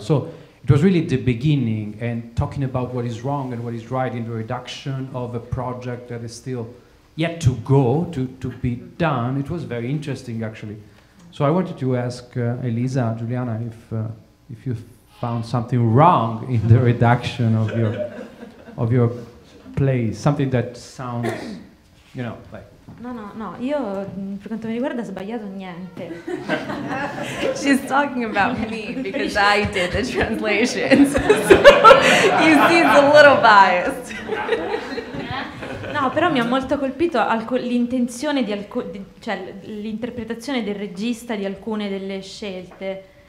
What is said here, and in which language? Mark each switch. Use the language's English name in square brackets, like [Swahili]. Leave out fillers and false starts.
[English] So it was really the beginning, and talking about what is wrong and what is right in the reduction of a project that is still yet to go, to be done, it was very interesting, actually. So I wanted to ask Elisa, Giuliana, if you found something wrong in the reduction of your play, something that sounds, you know, like... [Italian] No, io per quanto mi riguarda ho sbagliato niente. [English] She's talking about me because I did the translations. So he seems a little biased. [Italian] No, però mi ha molto colpito l'intenzione di cioè l'interpretazione del regista di alcune delle scelte.